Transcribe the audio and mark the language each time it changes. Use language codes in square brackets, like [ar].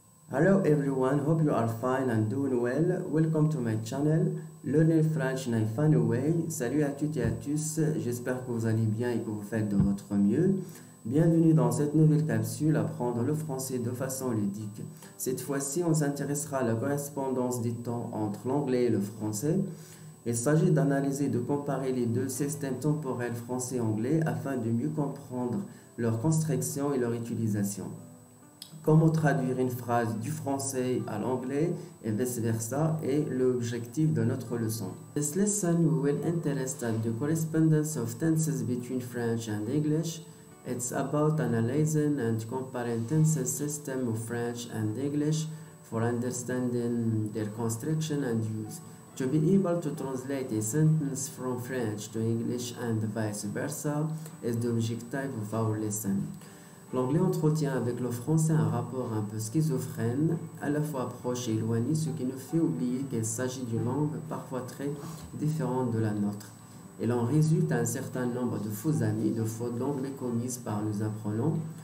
[en] Hello everyone, hope you are fine and doing well. Welcome to my channel, Learning French in a Fun Way. [fr] Salut à toutes et à tous, j'espère que vous allez bien et que vous faites de votre mieux. Bienvenue dans cette nouvelle capsule, apprendre le français de façon ludique. Cette fois-ci, on s'intéressera à la correspondance des temps entre l'anglais et le français. Il s'agit d'analyser et de comparer les deux systèmes temporels français-anglais afin de mieux comprendre leur construction et leur utilisation. Comment traduire une phrase du français à l'anglais et vice-versa est l'objectif de notre leçon. [en] This lesson will interest at the correspondence of tenses between French and English. It's about analyzing and comparing tenses system of French and English for understanding their construction and use. To be able to translate a sentence from French to English and vice versa is the objective of our lesson. [fr] L'anglais entretient avec le français un rapport un peu schizophrène, à la fois proche et éloigné, ce qui nous fait oublier qu'il s'agit d'une langue parfois très différente de la nôtre. Il en résulte un certain nombre de faux amis, de fautes d'anglais commises par nos apprenants.